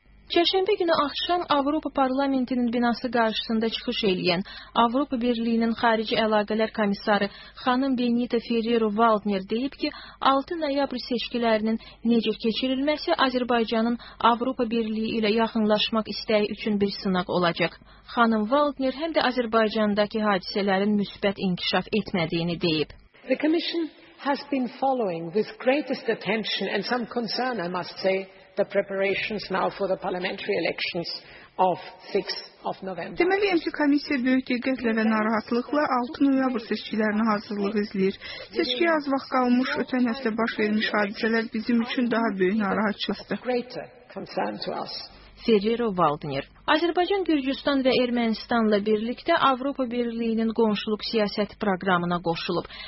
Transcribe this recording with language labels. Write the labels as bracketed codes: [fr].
[az] Çərşənbə günü axşam Avropa Parlamentinin binası qarşısında çıxış eləyən Avropa Birliyinin Xarici Əlaqələr Komissarı xanım Benita Ferrero-Waldner deyib ki, 6 noyabr seçkilərinin necə keçirilməsi Azərbaycanın Avropa Birliyi ilə yaxınlaşmaq istəyi üçün bir sınaq olacaq. Xanım Waldner həm də Azərbaycandakı hadisələrin müsbət inkişaf etmədiyini deyib. [en] The Commission has been following with greatest attention and some concern, I must say, the preparations now for the parliamentary elections of 6th of November. [az] Deməliyəm ki, komissiya böyük diqqətlə və narahatlıqla 6 noyabr seçkilərinə hazırlıq izləyir. Seçkiyə az vaxt qalmış ötən həftə baş vermiş hadisələr bizim üçün daha böyük narahatçılıqdır. Ferrero-Waldner. Azərbaycan, Gürcüstan və Ermənistanla birlikdə Avropa Birliyinin qonşuluq siyasət proqramına qoşulub.